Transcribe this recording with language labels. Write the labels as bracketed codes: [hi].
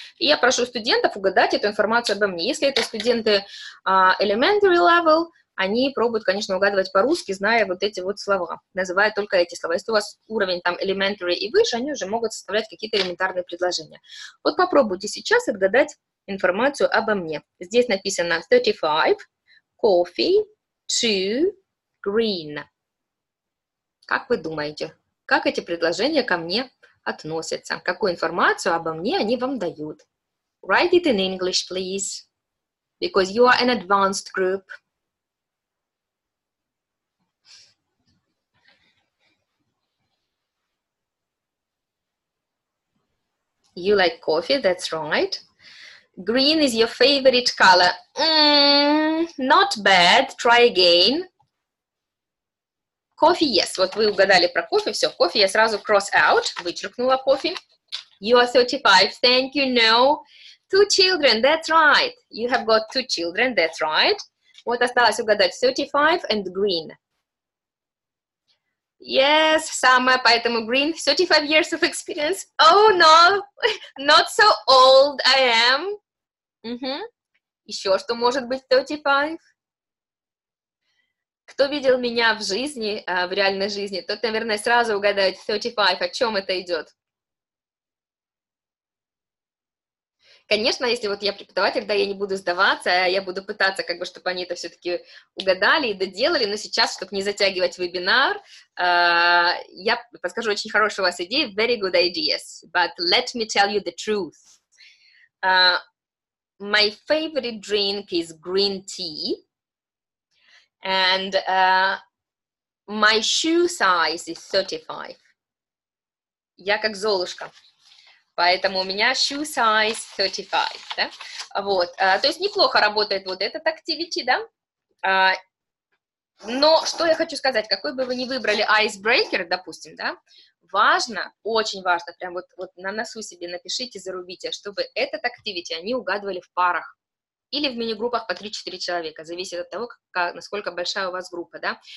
[ru] И я прошу студентов угадать эту информацию обо мне. Если это студенты elementary level, они пробуют, конечно, угадывать по-русски, зная вот эти вот слова, называя только эти слова. Если у вас уровень там elementary и выше, они уже могут составлять какие-то элементарные предложения. Вот попробуйте сейчас отгадать информацию обо мне. Здесь написано [en] 35 coffee to green. [ru] Как вы думаете, как эти предложения ко мне относятся? Какую информацию обо мне они вам дают? [en] Write it in English, please. Because you are an advanced group. You like coffee, that's right. Green is your favorite color. Not bad, try again. Coffee, yes. [ru] Вот вы угадали про кофе, все, кофе я сразу [en] cross out, [ru] вычеркнула кофе. [en] You are 35, thank you, no. Two children, that's right. You have got two children, that's right. [ru] Вот осталось угадать 35 [en] and green. Yes, [ru] самая, поэтому green. [en] 35 years of experience. Oh, no, not so old I am. Mm-hmm. [ru] Еще что может быть 35? Кто видел меня в жизни, в реальной жизни, тот, наверное, сразу угадает 35, о чем это идет. Конечно, если вот я преподаватель, да, я не буду сдаваться, я буду пытаться, как бы, чтобы они это все-таки угадали и доделали, но сейчас, чтобы не затягивать вебинар, я подскажу очень хорошую у вас идею, [en] very good ideas, but let me tell you the truth. My favorite drink is green tea, and my shoe size is 35. [ru] Я как Золушка. Поэтому у меня shoe size 35, да? Вот, то есть неплохо работает вот этот activity, да? Но что я хочу сказать, какой бы вы ни выбрали icebreaker, допустим, да? Важно, очень важно, прям вот, вот на носу себе напишите, зарубите, чтобы этот activity они угадывали в парах или в мини-группах по 3-4 человека, зависит от того, как, насколько большая у вас группа, да?